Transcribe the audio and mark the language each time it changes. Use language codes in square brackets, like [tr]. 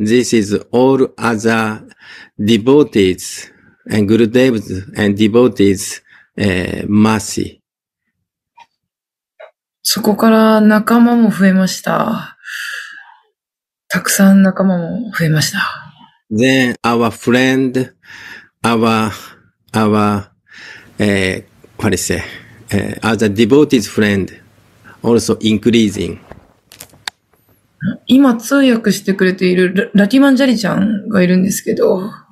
[en] This is all other devotees. And Gurudev's and devotees' mercy. [ja] そこから仲間も増えました。たくさん仲間も増えました。 [en] Then our friend, other devotees' friend, also increasing. [ja] 今通訳してくれているラティマンジャリちゃんがいるんですけど。